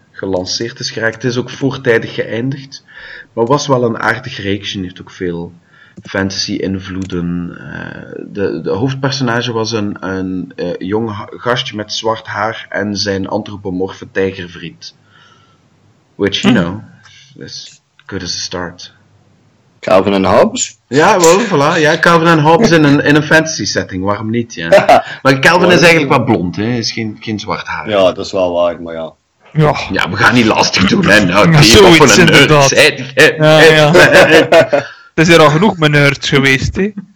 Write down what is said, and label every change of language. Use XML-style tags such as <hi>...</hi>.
<nl>gelanceerd is geraakt. Het is ook voortijdig geëindigd, maar was wel een aardig reaction. Heeft ook veel fantasy-invloeden. De hoofdpersonage was een jong gastje met zwart haar en zijn antropomorfe tijgervriend.</nl> <en>Which, you know, is good as a start.</en> <nl>Calvin en Hobbes? Ja, wel, voilà. Ja, Calvin en Hobbes in een fantasy-setting. Waarom niet, ja? Maar Calvin is eigenlijk wel blond, hè. Hij is geen zwart haar. Ja, dat is wel waar, maar ja. Ja, we gaan niet lastig doen, hè. Zoiets, inderdaad. Het is er al genoeg mijn nerds geweest, hè.</nl>